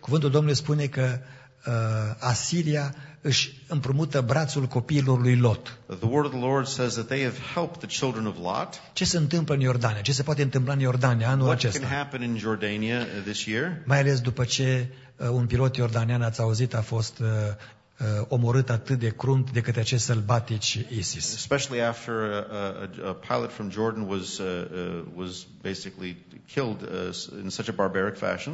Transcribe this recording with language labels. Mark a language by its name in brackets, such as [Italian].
[Romanian] cuvântul Domnului spune că Asiria își împrumută brațul copiilor lui Lot. [English] The word of the Lord says that they have helped the children of Lot. [Romanian] Ce se întâmplă în Iordania? Ce se poate întâmpla în Iordania anul acesta? [English] What can happen in Jordania this year? [Romanian] Mai ales după ce un pilot iordanian, ați auzit, a fost omorât atât de crunt de către acești sălbatici ISIS. [English] Especially after a pilot from Jordan was basically killed in such a barbaric fashion.